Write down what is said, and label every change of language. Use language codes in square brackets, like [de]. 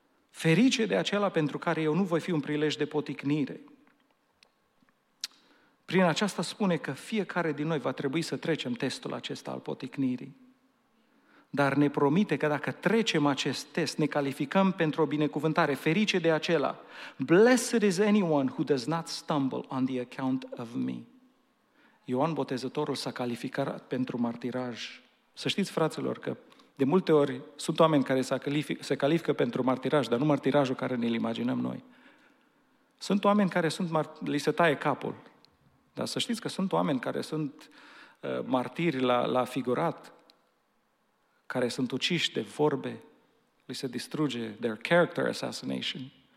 [ro] Ferice de acela pentru care eu nu voi fi un prilej de poticnire. Prin aceasta spune că fiecare din noi va trebui să trecem testul acesta al poticnirii. Dar ne promite că dacă trecem acest test, ne calificăm pentru o binecuvântare. Ferice de acela. [en] Blessed is anyone who does not stumble on the account of me. [ro] Ioan Botezătorul s-a calificat pentru martiraj. Să știți, fraților, că de multe ori sunt oameni care se califică pentru martiraj, dar nu martirajul care ne-l imaginăm noi. Sunt oameni care li se taie capul. Dar să știți că sunt oameni care sunt martiri la figurat, care sunt uciși de vorbe, li se distruge, [en] their character assassination.